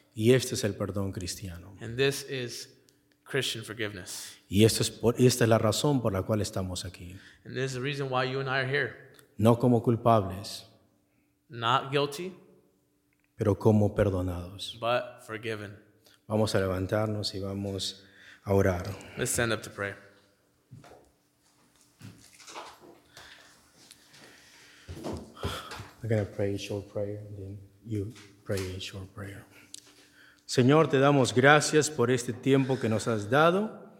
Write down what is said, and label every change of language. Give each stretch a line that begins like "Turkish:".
Spanish: Y este es el perdón cristiano.
English: And this is Christian forgiveness.
Spanish: Y esto es por, esta es la razón por la cual estamos aquí.
English: And this is the reason why you and I are here.
Spanish: No como culpables,
English: not guilty,
Spanish: pero como perdonados.
English: But forgiven.
Spanish: Vamos a levantarnos y vamos a orar.
English: Let's stand up to pray. I'm going to pray a short prayer, and then you pray a short prayer.
Spanish: Señor, te damos gracias por este tiempo que nos has dado.